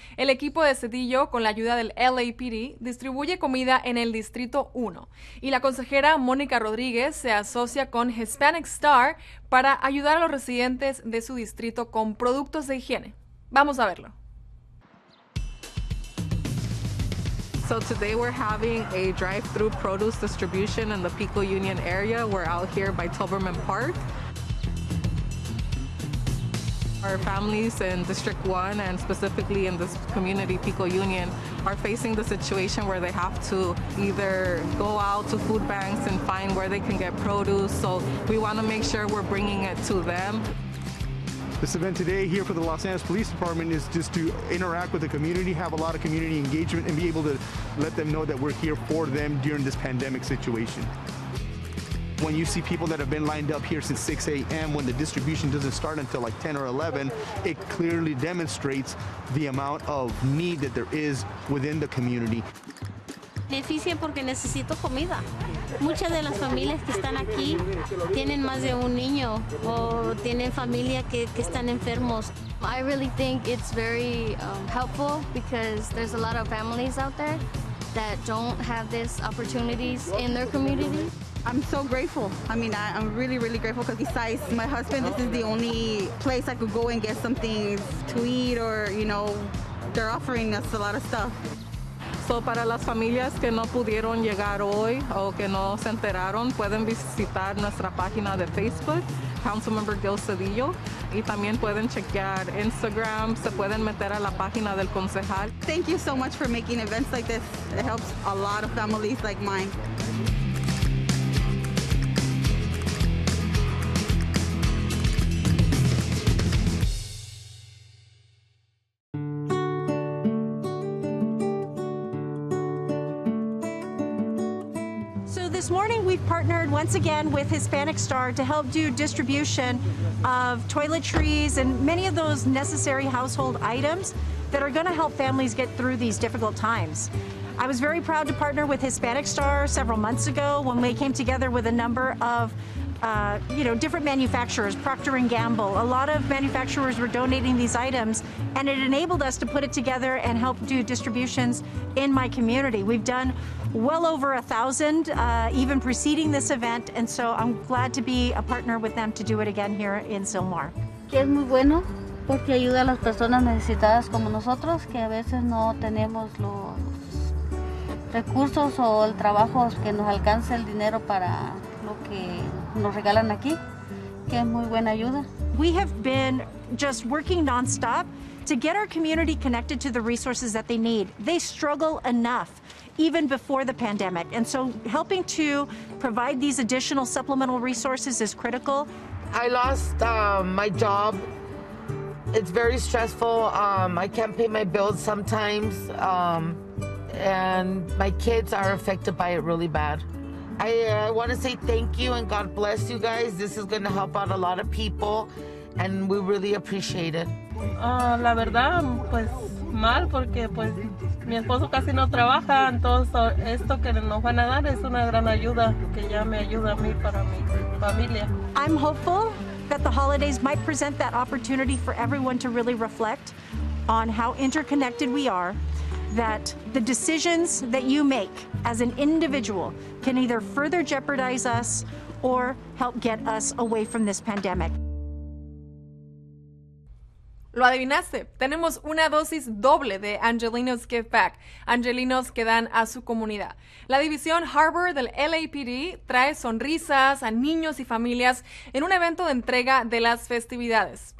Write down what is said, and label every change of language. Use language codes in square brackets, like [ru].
[es] El equipo de Cedillo, con la ayuda del LAPD, distribuye comida en el Distrito 1. Y la consejera Mónica Rodríguez se asocia con Hispanic Star para ayudar a los residentes de su distrito con productos de higiene. Vamos a verlo. [en] So today we're having a drive-through produce distribution in the Pico Union area. We're out here by Tilberman Park. Our families in District 1 and specifically in this community, Pico Union, are facing the situation where they have to either go out to food banks and find where they can get produce. So we want to make sure we're bringing it to them. This event today here for the Los Angeles Police Department is just to interact with the community, have a lot of community engagement, and be able to let them know that we're here for them during this pandemic situation. When you see people that have been lined up here since 6 a.m. when the distribution doesn't start until like 10 or 11, it clearly demonstrates the amount of need that there is within the community. [es] Difícil porque necesito comida. Muchas de las familias que están aquí tienen más de un niño o tienen familia que están enfermos. [en] I really think it's very helpful because there's a lot of families out there that don't have this opportunities in their community. I'm so grateful. I mean, I'm really, really grateful because besides my husband, this is the only place I could go and get some things to eat or, you know, they're offering us a lot of stuff. [es] So, para las familias que no pudieron llegar hoy o que no se enteraron, pueden visitar nuestra página de Facebook, Councilmember Gil Cedillo, y también pueden chequear Instagram, se pueden meter a la página del concejal. [en] Thank you so much for making events like this. It helps a lot of families like mine. This morning, we've partnered once again with Hispanic Star to help do distribution of toiletries and many of those necessary household items that are going to help families get through these difficult times. I was very proud to partner with Hispanic Star several months ago when we came together with a number of different manufacturers, Procter & Gamble. A lot of manufacturers were donating these items, and it enabled us to put it together and help do distributions in my community. We've done well over 1,000, even preceding this event, and so I'm glad to be a partner with them to do it again here in Sylmar. [es] Es muy bueno porque ayuda a las personas necesitadas como nosotros, que a veces no tenemos los recursos o el trabajo que nos alcance el dinero para lo que nos regalan aquí, que es muy buena ayuda. [en] We have been just working nonstop to get our community connected to the resources that they need. They struggle enough even before the pandemic. And so helping to provide these additional supplemental resources is critical. I lost my job. It's very stressful. I can't pay my bills sometimes. And my kids are affected by it really bad. I want to say thank you and God bless you guys. This is going to help out a lot of people and we really appreciate it. [es] La verdad, pues mal, porque pues mi esposo casi no trabaja, entonces esto que nos van a dar es una gran ayuda, que ya me ayuda a mí para mi familia. [en] I'm hopeful that the holidays might present that opportunity for everyone to really reflect on how interconnected we are, that the decisions that you make as an individual can either further jeopardize us or help get us away from this pandemic. [es] Lo adivinaste, tenemos una dosis doble de Angelinos Give Back, Angelinos que dan a su comunidad. La división Harbor del LAPD trae sonrisas a niños y familias en un evento de entrega de las festividades.